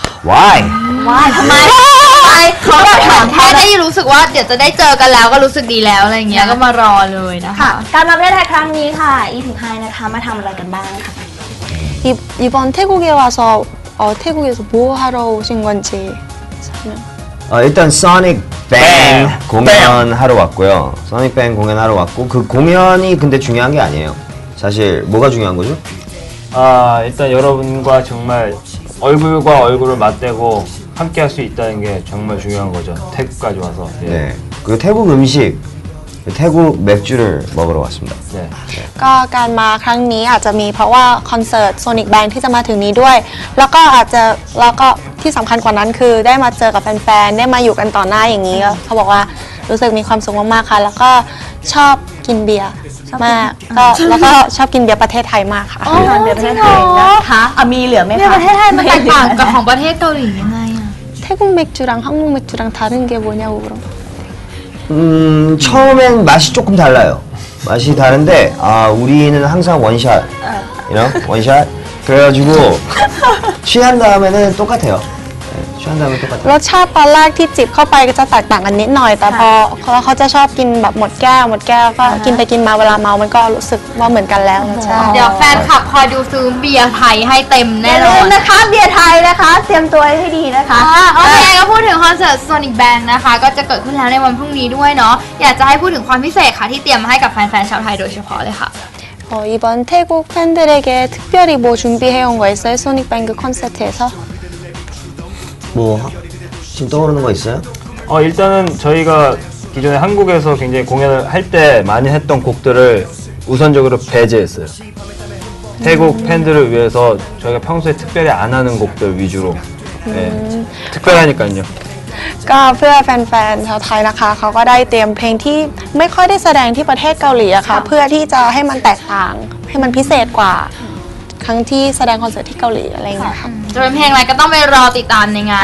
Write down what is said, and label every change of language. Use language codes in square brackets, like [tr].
[en] Why [th] ทำไมเขาแบบถามแค่ได้รู้สึกว่าเดี๋ยวจะได้เจอกันแล้วก็รู้สึกดีแล้วอะไรเงี้ยก็มารอเลยนะคะ การมาประเทศไทยครั้งนี้ค่ะอีพิกไฮนะคะมาทำอะไรกันบ้างค่ะ อีบอนเทกุเกะวาโซเทกุเกะโซบูฮาโรชิงกันจี [ko] อ่ะ Sonic Bang 공연하러왔고요 Sonic Bang 공연하러왔고그공연이근데중요한게아니에요사실뭐가중요한거죠 일단여러분과정말얼굴과얼굴을맞대고함께할수있다는게정말중요한거죠태국까지와서 네, 네그태국음식태국맥주를먹으러왔습니다 네, 네 [th] ก็การมาครั้งนี้อาจจะมีเพราะว่าคอนเสิร์ต Sonic Bang ที่จะมาถึงนี้ด้วยแล้วก็อาจจะแล้วก็ที่สำคัญกว่านั้นคือได้มาเจอกับแฟนๆได้มาอยู่กันต่อหน้าอย่างนี้เขาบอกว่ารู้สึกมีความสุขมากๆค่ะแล้วก็ชอบกินเบียร์มากก็แล้วก็ชอบกินเบียร์ประเทศไทยมากค่ะ อ๋อจริงเหรอคะมีเหลือไหมคะ เบียร์ประเทศไทยมันแตกต่างกับของประเทศเกาหลียังไงอะเ ทกุงเมกจูรังฮังกุงเมกจูรังต่างกันยังไงครับ [ko] 처음엔맛이조금달라요맛이다른데우리는항상원샷 [en] you know? [ko] 원샷그래가지고 취한다음에는똑같아요 취한다음에똑같아요 [th] รสชาติตอนแรกที่จิบเข้าไปก็จะแตกต่างกันนิดหน่อยแต่พอเขาจะชอบกินแบบหมดแก้วหมดแก้วก็กินไปกินมาเวลาเมามันก็รู้สึกว่าเหมือนกันแล้ว เดี๋ยวแฟนคลับคอยดูซื้อเบียร์ไทยให้เต็มแน่นอน นะคะเบียร์ไทยนะคะเตรียมตัวให้ดีนะคะ โอเคก็พูดถึงคอนเสิร์ต Sonic Bang นะคะก็จะเกิดขึ้นแล้วในวันพรุ่งนี้ด้วยเนาะอยากจะให้พูดถึงความพิเศษค่ะที่เตรียมมาให้กับแฟนๆชาวไทยโดยเฉพาะเลยค่ะ [ko] 이번 태국 팬들에게 특별히 뭐 준비해온 거 있어요? 소닉 뱅크 콘서트에서? 뭐 지금 떠오르는 거 있어요? 일단은 저희가 기존에 한국에서 굉장히 공연을 할 때 많이 했던 곡들을 우선적으로 배제했어요. 태국 팬들을 위해서 저희가 평소에 특별히 안 하는 곡들 위주로 특별하니까요. [th] ก็เพื่อแฟนๆชาวไทยนะคะเขาก็ได้เตรียมเพลงที่ไม่ค่อยได้แสดงที่ประเทศเกาหลีอะค่ะเพื่อที่จะให้มันแตกต่างให้มันพิเศษกว่าครั้งที่แสดงคอนเสิร์ตที่เกาหลีอะไรเงี้ยค่ะ จะเป็นเพลงอะไรก็ต้องไปรอติดตามในงาน